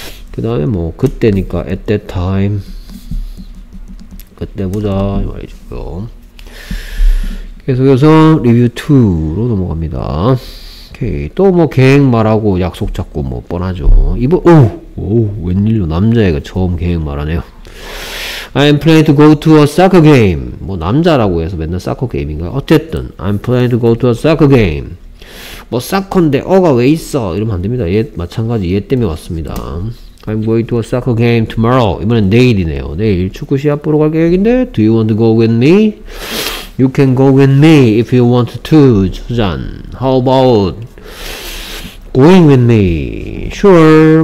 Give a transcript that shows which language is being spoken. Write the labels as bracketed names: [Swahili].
[Korean] 그다음에 그때니까 at that time 그때 보자 이 말이죠. 계속해서 리뷰 2로 넘어갑니다. 오케이, 또 계획 말하고 약속 잡고 뻔하죠. 웬일로 남자애가 처음 계획 말하네요. [English] I'm planning to go to a soccer game. [Korean] 남자라고 해서 맨날 soccer game인가요? 어쨌든 [English] I'm planning to go to a soccer game. [Korean] 뭐 soccer인데 어가 왜 있어? 이러면 안 됩니다. 얘 마찬가지 얘 때문에 왔습니다. [English] I'm going to a soccer game tomorrow. [Korean] 이번엔 내일이네요. 내일 축구 시합 보러 갈 계획인데, [English] Do you want to go with me? You can go with me if you want to, Susan. How about going with me? Sure.